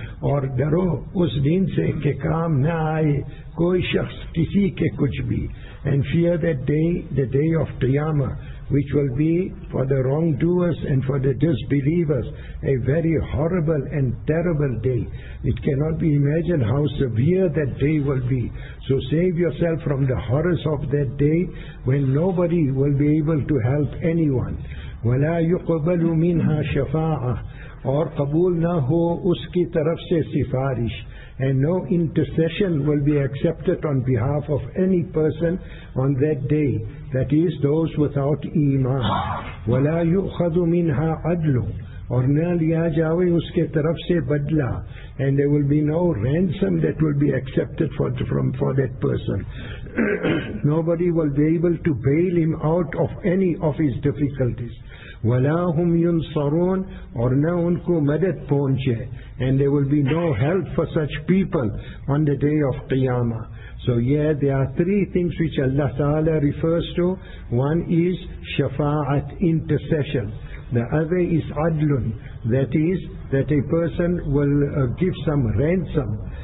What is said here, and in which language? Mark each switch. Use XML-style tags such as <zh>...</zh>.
<ur>اور ڈرو اس دن سے کہ کام نہ آئے کوئی شخص کسی کے کچھ بھی.</ur> <en>And fear that day, the day of Qiyamah, which will be for the wrongdoers and for the disbelievers a very horrible and terrible day. It cannot be imagined how severe that day will be. So save yourself from the horrors of that day when nobody will be able to help anyone.</en> <ar>وَلَا يُقْبَلُ مِنْهَا شَفَاعَةً</ar> <ur>اور قبول نہ ہو اس کی طرف سے سفارش.</ur> <en>And no intercession will be accepted on behalf of any person on that day, that is those without iman.</en> <ar>وَلَا يُؤْخَذُ مِنْهَا عَدْلٌ</ar> <ur>اور نہ لیا جاوے اس کے طرف سے بدلہ.</ur> <en>And there will be no ransom that will be accepted for that person. Nobody will be able to bail him out of any of his difficulties.</en> <ar>وَلَا هُمْ يُنصَرُونَ</ar> <ur>اور نہ ان کو مدد پہنچے.</ur> <en>And there will be no help for such people on the day of Qiyamah. So yeah, there are three things which Allah Ta'ala refers to. One is shafa'at, intercession. The other is adlun, that is, that a person will give some ransom.</en>